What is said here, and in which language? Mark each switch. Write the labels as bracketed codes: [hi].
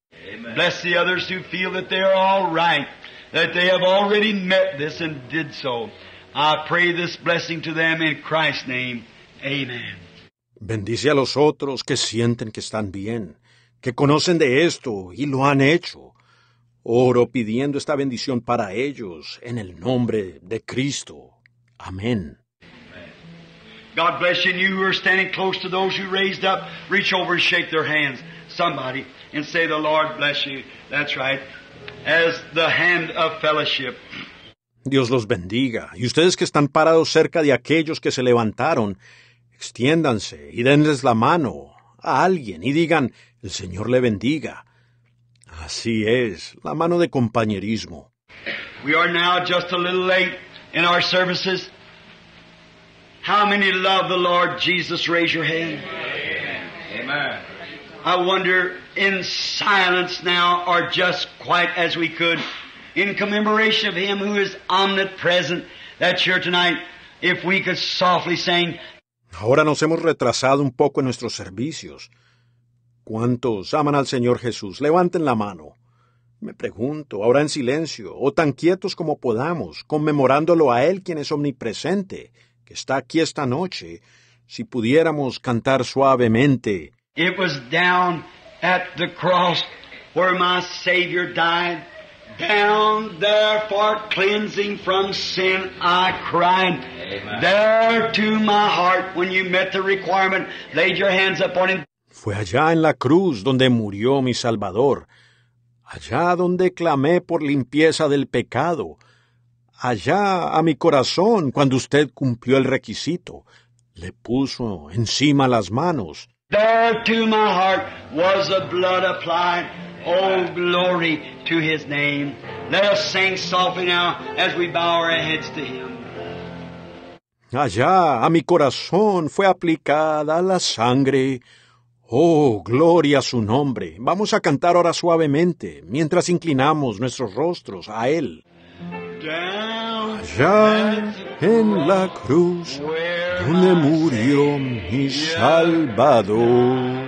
[en] Amen. Bless the others who feel that they are all right, that they have already met this and did so. I pray this blessing to them in Christ's name. Amen. [es] Bendice a los otros que sienten que están bien, que conocen de esto y lo han hecho. Oro pidiendo esta bendición para ellos en el nombre de Cristo. Amén. [en] God bless you, and you who are standing close to those who raised up, reach over and shake their hands, somebody, and say, the Lord bless you. That's right. As the hand of fellowship. [es] Dios los bendiga. Y ustedes que están parados cerca de aquellos que se levantaron, extiéndanse y denles la mano a alguien y digan, el Señor le bendiga. Así es, la mano de compañerismo. [en] We are now just a little late in our services. How many love the Lord Jesus? Raise your hand. Amen. Amen. I wonder, in silence now, or just quiet as we could, in commemoration of Him who is omnipresent, that's here tonight, if we could softly sing. [es] Ahora nos hemos retrasado un poco en nuestros servicios. ¿Cuántos aman al Señor Jesús? Levanten la mano. Me pregunto, ahora en silencio, o tan quietos como podamos, conmemorándolo a Él quien es omnipresente, que está aquí esta noche, si pudiéramos cantar suavemente. [en] It was down at the cross where my Savior died. Down there for cleansing from sin I cried. Amen. There to my heart when you met the requirement, laid your hands upon Him. [es] Fue allá en la cruz donde murió mi Salvador. Allá donde clamé por limpieza del pecado. Allá a mi corazón cuando usted cumplió el requisito. Le puso encima las manos. [en] There to my heart was the blood applied. Oh, glory to His name. Let us sing softly now as we bow our heads to Him. [es] Allá a mi corazón fue aplicada la sangre. Oh, gloria a su nombre. Vamos a cantar ahora suavemente mientras inclinamos nuestros rostros a Él. Allá en la cruz donde murió mi Salvador.